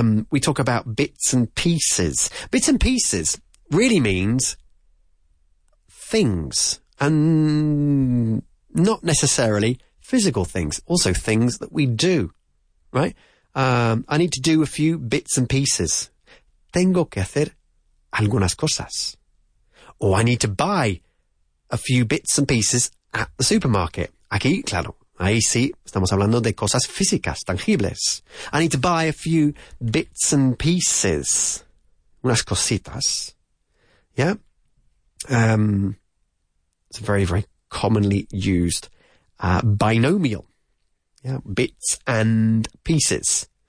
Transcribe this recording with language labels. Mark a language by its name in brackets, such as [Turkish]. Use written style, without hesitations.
[English] We talk about bits and pieces. Bits and pieces really means things, and not necessarily physical things, also things that we do, right? I need to do a few bits and pieces. [Spanish] Tengo que hacer algunas cosas. [English] Or I need to buy a few bits and pieces at the supermarket. [Spanish] Aquí, claro. Ahí sí, estamos hablando de cosas físicas, tangibles. [English] I need to buy a few bits and pieces. [Spanish] Unas cositas. [English] Yeah? It's a very, very commonly used binomial. Yeah? Bits and pieces.